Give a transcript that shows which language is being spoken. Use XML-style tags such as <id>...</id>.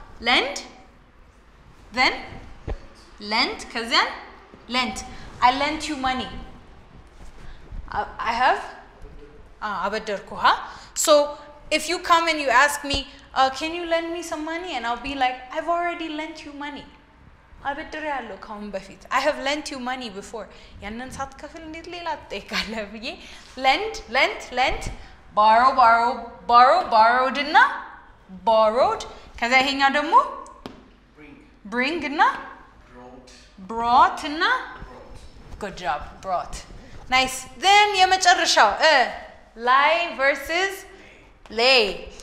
<en>Lent, then lent, ከዚያ lent. I lent you money. I have አበደርኩ. So if you come and you ask me, can you lend me some money? And I'll be like, I've already lent you money.</en> <am>አበድሬያለሁ ከአሁን በፊት.</am> <en>I have lent you money before.</en> <am>ያንን ሳትከፍል እንዴት ሌላ ትጠይቃለህ ብዬ.</am> <en>Lent, lent, lent. Borrow, borrow, borrow, borrowed na, borrowed.</en> <am>Kaza hinga demo?</am> <en>Bring. Bring na? Brought. Brought na? Good job, brought. Nice. Then, yemecherrshaw. Lie versus lay.</en>